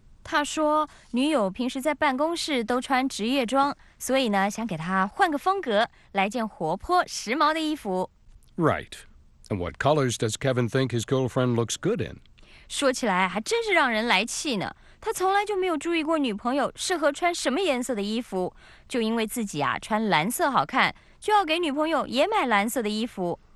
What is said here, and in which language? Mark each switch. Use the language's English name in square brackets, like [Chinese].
[Chinese] 他说女友平时在办公室都穿职业装，所以呢，想给她换个风格，来件活泼时髦的衣服。 [English] Right. And what colors does Kevin think his girlfriend looks good in? [Chinese] 说起来还真是让人来气呢。他从来就没有注意过女朋友适合穿什么颜色的衣服，就因为自己啊穿蓝色好看，就要给女朋友也买蓝色的衣服。